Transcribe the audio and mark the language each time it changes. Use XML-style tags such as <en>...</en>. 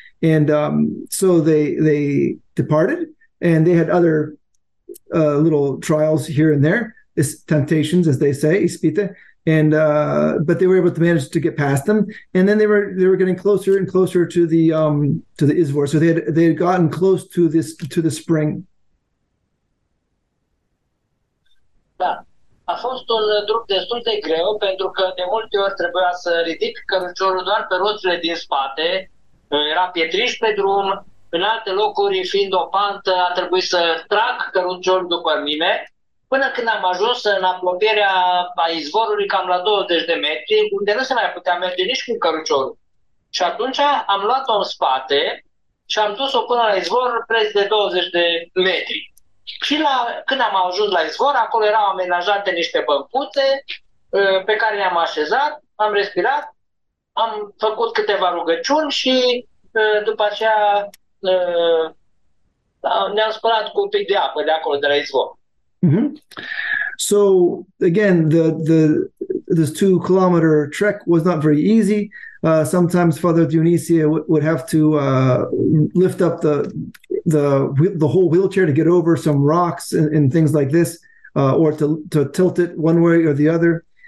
<en>And so they departed, and they had other little trials here and there, temptations, as they say, ispite. And but they were able to manage to get past them. And then they were getting closer and closer to the izvor. So they had gotten close to this to the spring.</en> <ro>Da, a fost un drum destul de greu pentru că de multe ori trebuia să ridic căruciorul doar pe roțile din spate. era pietriș pe drum, în alte locuri, fiind o pantă, a trebuit să trag căruciorul după mine, până când am ajuns în apropierea a izvorului, cam la 20 de metri, unde nu se mai putea merge nici cu căruciorul. Și atunci am luat-o în spate și am dus-o până la izvor preț de 20 de metri. Și la, când am ajuns la izvor, acolo erau amenajate niște băncuțe pe care le-am așezat, am respirat, am făcut câteva rugăciuni și după aceea ne-am spălat cu un pic de apă de acolo, de la izvor. Mm-hmm.</ro> <en>So again, this 2 kilometer trek was not very easy. Sometimes Father Dionisia would have to lift up the whole wheelchair to get over some rocks and things like this, or to tilt it one way or the other.</en>